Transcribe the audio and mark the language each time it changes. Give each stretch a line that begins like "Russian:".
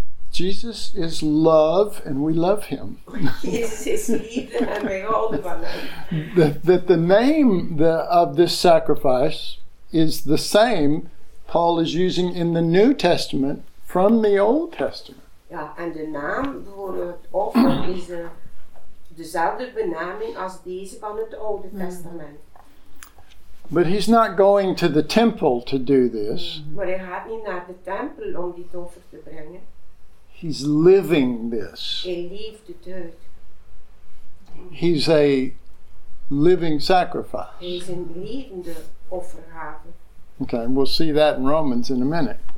English: Jesus is love, and we love him.
Dutch: Jesus is liefde,
English: and we hold
Dutch: van hem.
English: That the name of this sacrifice is the same Paul is using in the New Testament from the Old Testament.
Dutch: Ja, en de naam voor het offer is dezelfde benaming als deze van het Oude Testament.
English: But he's not going to the temple to do this.
Dutch: Maar hij gaat niet naar de tempel om dit offer te brengen.
English: He's living this.
Dutch: Hij leeft het uit.
English: He's a living sacrifice.
Dutch: Hij is een levende offergave.
English: Okay, we'll see that in Romans in a minute.